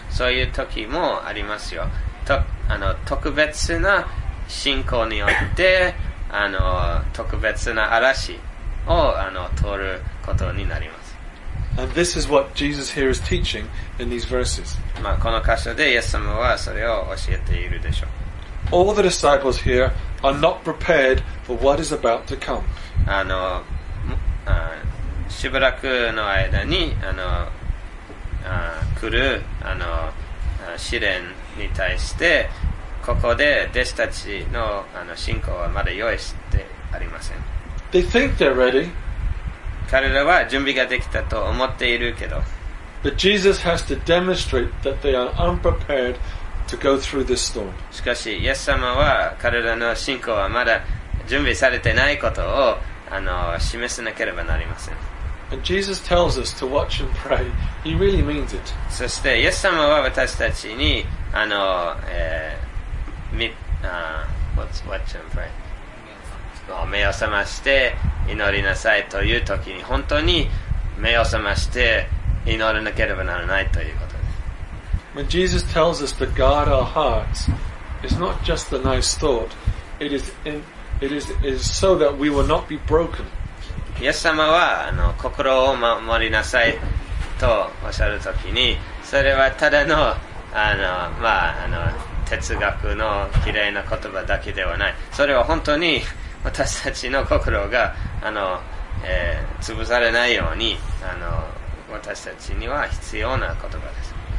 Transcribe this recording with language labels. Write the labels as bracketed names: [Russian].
[Japanese] そういう時もありますよ。特別な信仰によって特別な嵐を通る。ことになります。 [English] And this is what Jesus here is teaching in these verses. [Japanese] まあこの箇所でイエス様はそれを教えているでしょう。 [English] All the disciples here are not prepared for what is about to come. [Japanese] あの、あ、しばらくの間にあの、あ、来るあの試練に対してここで弟子たち の、 あの信仰はまだ用意してありません。 [English] They think they're ready. [Japanese] 彼らは準備ができたと思っているけど、 [English] But Jesus has to demonstrate that they are unprepared to go through this storm. [Japanese] しかしイエス様は彼らの信仰はまだ準備されてないことをあの示さなければなりません。 [English] And Jesus tells us to watch and pray. He really means it. [Japanese] そしてイエス様は私たちにあの、 [English] watch and pray、 [Japanese] 目を覚まして祈りなさいという時に本当に目を覚まして祈らなければならないということです。 [English] When Jesus tells us to guard our hearts, it's not just a nice thought. It is so that we will not be broken. [Japanese] イエス様はあの心を守りなさいとおっしゃる時に、それはただの、 あの、まあ、あの哲学の綺麗な言葉だけではない。それは本当に私たちの心があの、潰されないようにあの私たちには必要な言葉です。